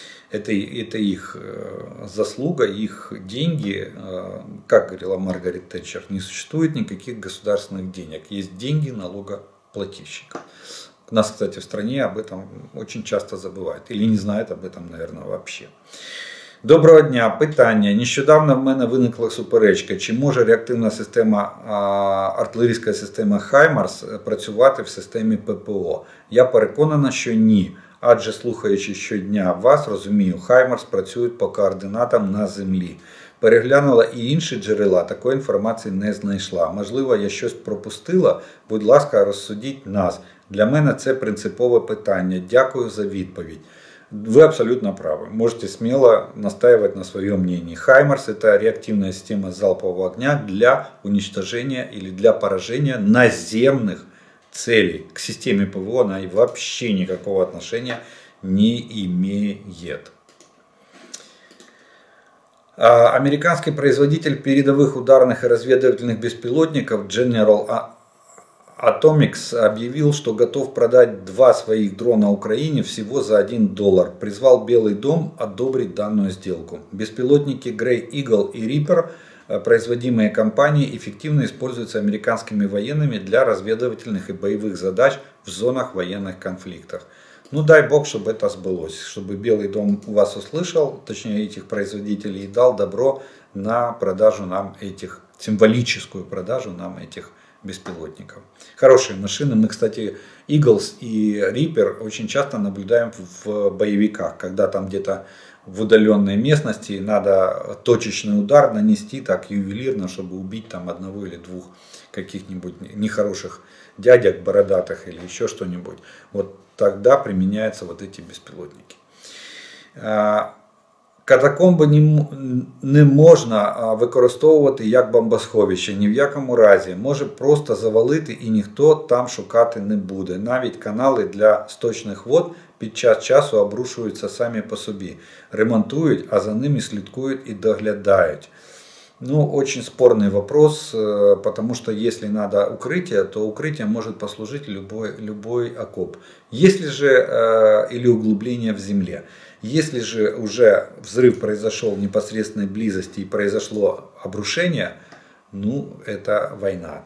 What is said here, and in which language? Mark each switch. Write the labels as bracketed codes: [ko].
[ru] Это их заслуга, их деньги, как говорила Маргарет Тэтчер, не существует никаких государственных денег. Есть деньги налогоплательщиков. Нас, кстати, в стране об этом очень часто забывают. Или не знают об этом, наверное, вообще. [uk] Доброго дня. Питання. Нещодавно в мене виникла суперечка. Чи може реактивна система, артилерійська система «Хаймарс» працювати в системі ППО? Я переконана, що ні. Адже, слухаючи щодня вас, розумію, «Хаймарс» працюють по координатам на землі. Переглянула і інші джерела, такої інформації не знайшла. Можливо, я щось пропустила? Будь ласка, розсудіть нас. Для мене це принципове питання. Дякую за відповідь. Ви абсолютно праві. Можете сміло настаювати на своєму мнінні. «Хаймарс» – це реактивна система залпового вогня для уничтоження або для пораження наземних цілей. К системі ПВО вона і взагалі ніякого відношення не має. [ru] Американський производитель [uk] передових ударних і розвідувальних безпілотників [ru] General Atomics объявил, что готов продать два своих дрона Украине всего за $1. Призвал Белый дом одобрить данную сделку. Беспилотники Grey Eagle и Reaper, производимые компанией, эффективно используются американскими военными для разведывательных и боевых задач в зонах военных конфликтов. Ну дай бог, чтобы это сбылось, чтобы Белый дом вас услышал, точнее этих производителей, и дал добро на продажу нам этих, символическую продажу нам этих беспилотников. Хорошие машины. Мы, кстати, Eagles и Reaper очень часто наблюдаем в боевиках, когда там где-то в удаленной местности надо точечный удар нанести так ювелирно, чтобы убить там одного или двух каких-нибудь нехороших дядек бородатых или еще что-нибудь. Вот тогда применяются вот эти беспилотники. [uk] Катакомби не можна використовувати як бомбосховище, ні в якому разі. Може просто завалити і ніхто там шукати не буде. Навіть канали для сточних вод під час часу обрушуються самі по собі. Ремонтують, а за ними слідкують і доглядають. [ru] Ну, очень спорний вопрос, потому что если надо укрытие, то укрытие может послужить любой окоп. Если же, или углубление в земле. Если же уже взрыв произошел в непосредственной близости и произошло обрушение, ну, это война.